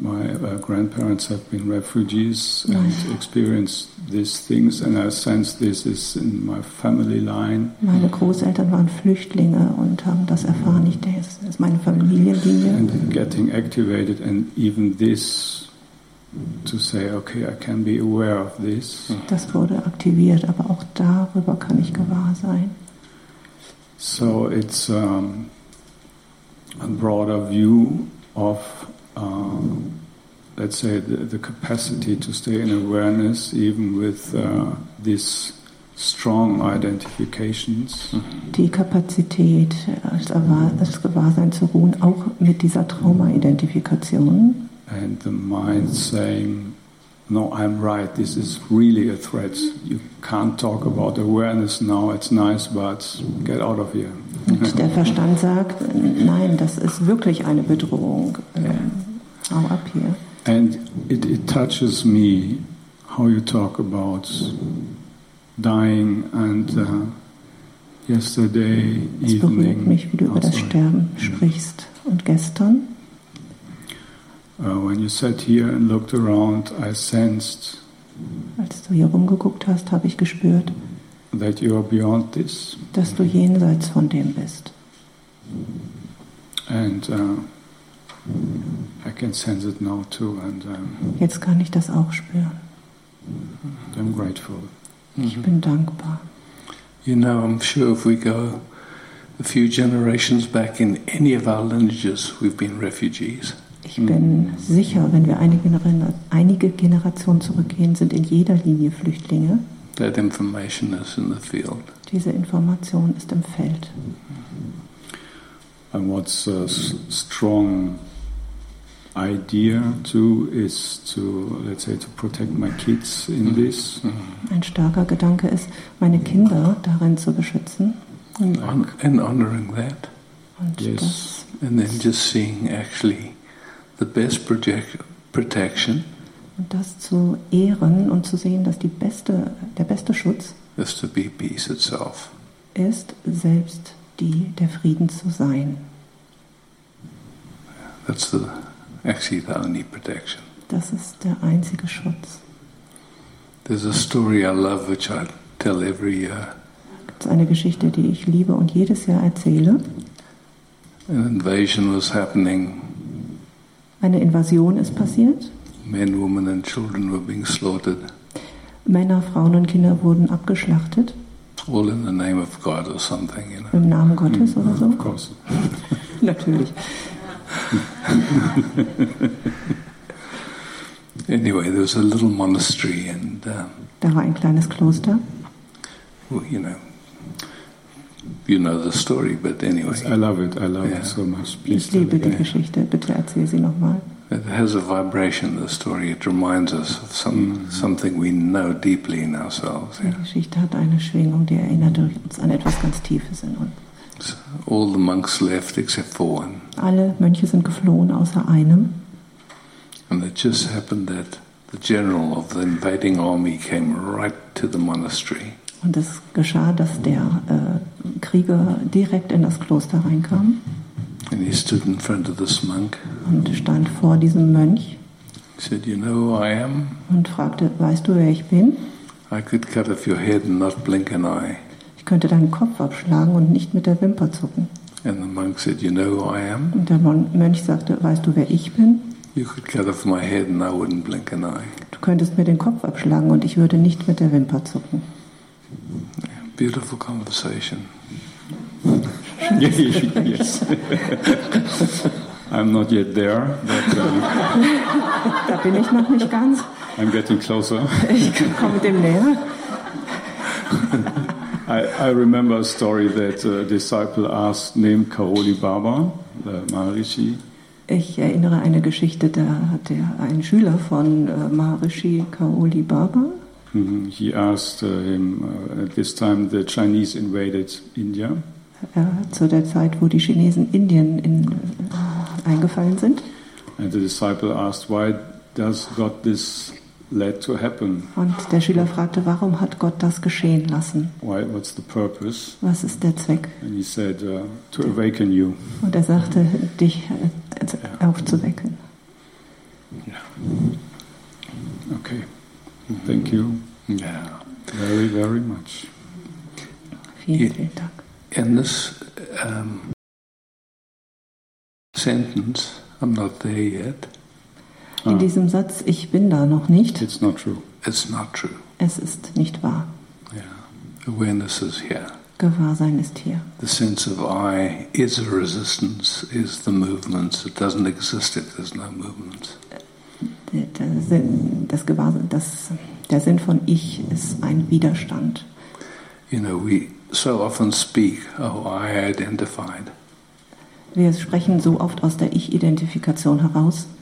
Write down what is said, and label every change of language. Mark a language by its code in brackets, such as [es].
[en] My grandparents have been refugees and experienced these things, and I sense this is in my family line. [de] Meine Großeltern waren Flüchtlinge und haben das erfahren. Ich denke, das ist meine Familienlinie. [en] And getting activated, and even this, to say, okay, I can be aware of this. [de] Das wurde aktiviert, aber auch darüber kann ich gewahr sein. [en] So it's a broader view of, let's say, the capacity to stay in awareness, even with these strong identifications. [de] Die Kapazität, das Gewahrsein zu ruhen, auch mit dieser Trauma-Identifikation. [en] And the mind saying, no, I'm right, this is really a threat. You can't talk about awareness now, it's nice, but get out of here. [de] Und der Verstand sagt, nein, das ist wirklich eine Bedrohung. Hau ab hier. [en] And it touches me how you talk about dying and yesterday evening. [de] Es berührt mich, wie du über das Sterben sprichst. Und gestern? [en] When you sat here and looked around, I sensed. [de] Als du hier rumgeguckt hast, habe ich gespürt, [en] that you are beyond this. [de] Dass du jenseits von dem bist. [en] And I can sense it now too. And [de] jetzt kann ich das auch spüren. [en] I'm grateful. [de] Ich bin dankbar. [en] You know, I'm sure if we go a few generations back in any of our lineages, we've been refugees. [de] Ich bin sicher, wenn wir einige Generationen zurückgehen, sind in jeder Linie Flüchtlinge. [en] That information is in the field. [de] Diese Information ist im Feld. [en] And what's a strong idea too is to, let's say, to protect my kids in this. [de] Ein starker Gedanke ist, meine Kinder darin zu beschützen. [en] And honoring that. [de] Und yes. Das [en] and then just seeing actually the best protection. [de] Und das zu ehren und zu sehen, dass der beste Schutz [en] is to be peace itself. [de] Ist selbst der Frieden zu sein. [en] That's the only protection. [de] Das ist der einzige Schutz. [en] There's a story I love which I tell every year. [de] Es ist eine Geschichte, die ich liebe und jedes Jahr erzähle. [en] An invasion was happening. [de] Eine Invasion ist passiert. [en] Men, women and children were being slaughtered. [de] Männer, Frauen und Kinder wurden abgeschlachtet. [en] All in the name of God or something, you know. [de] Im Namen Gottes oder so. [en] Of course. [de] Natürlich. [en] Anyway, there was a little monastery and. [de] Da war ein kleines Kloster. [en] You know. You know the story, but anyway. Yes, I love it. I love it so much. [de] Please ich liebe die Geschichte. Bitte erzähl sie nochmal. [en] It has a vibration. The story. It reminds us of something we know deeply in ourselves. [de] Die Geschichte hat eine Schwingung, die erinnert uns an etwas ganz Tiefes in uns. [en] So, all the monks left except for one. [de] Alle Mönche sind geflohen, außer einem. [en] And it just happened that the general of the invading army came right to the monastery. [de] Und es geschah, dass der Krieger direkt in das Kloster reinkam. [en] And he stood in front of this monk. [de] Und stand vor diesem Mönch. [en] He said, you know who I am? [de] Und fragte, weißt du, wer ich bin? [en] I could cut off your head and not blink an eye. [de] Ich könnte deinen Kopf abschlagen und nicht mit der Wimper zucken. [en] And the monk said, you know who I am? [de] Und der Mönch sagte, weißt du, wer ich bin? [en] You could cut off my head and I wouldn't blink an eye. [de] Du könntest mir den Kopf abschlagen und ich würde nicht mit der Wimper zucken. [en] Beautiful conversation. Yes. Yes. I'm not yet there, but [de] da bin ich noch nicht ganz. [en] I'm getting closer. [de] Ich komme dem näher. [en] I remember a story that a disciple asked named Karoli Baba, the Maharishi. [de] Ich erinnere eine Geschichte, da hat er einen Schüler von Maharishi Karoli Baba. [en] He asked him, at this time the Chinese invaded India. [de] Zu der Zeit, wo die Chinesen Indien eingefallen sind. [en] And the disciple asked, why does God this let to happen? [de] Und der Schüler fragte, warum hat Gott das geschehen lassen? [en] Why, what's the purpose? [de] Was ist der Zweck? [en] And he said, to awaken you. [de] Und er sagte, dich aufzuwecken. [en] Yeah. Okay. Thank you. Yeah. Very, very much. [de] Vielen Dank. [en] In this sentence, I'm not there yet. [de] In diesem Satz, ich bin da noch nicht. [en] It's not true. It's not true. [de] Es ist nicht wahr. [en] Yeah. Awareness is here. [de] Gewahrsein ist hier. [en] The sense of I is a resistance, is the movement. It doesn't exist if there's no movement. [de] Der Sinn von Ich ist ein Widerstand. [en] You know, we so often speak, oh, I identified. [de] Wir sprechen so oft aus der Ich-Identifikation heraus.